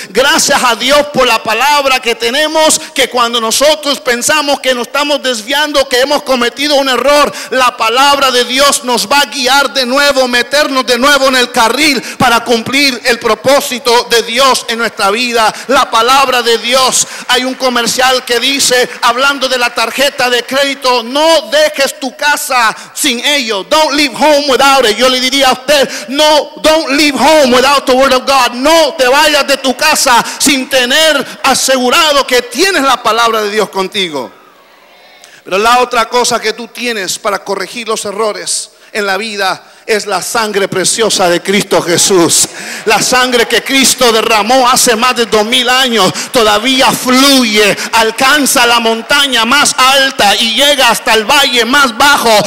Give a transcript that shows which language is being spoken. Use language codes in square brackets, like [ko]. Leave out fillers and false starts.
[es] Gracias a Dios por la palabra que tenemos, que cuando nosotros pensamos que nos estamos desviando, que hemos cometido un error, la palabra de Dios nos va a guiar de nuevo, meternos de nuevo en el carril para cumplir el propósito de Dios en nuestra vida. La palabra de Dios. Hay un comercial que dice, hablando de la tarjeta de crédito: no dejes tu casa sin ello. [en] Don't leave home without it. [es] Yo le diría a usted: [en] no, don't leave home without the word of God. [es] No te vayas de tu casa sin tener asegurado que tienes la palabra de Dios contigo. Pero la otra cosa que tú tienes para corregir los errores en la vida es la sangre preciosa de Cristo Jesús. La sangre que Cristo derramó hace más de 2000 años todavía fluye, alcanza la montaña más alta y llega hasta el valle más bajo.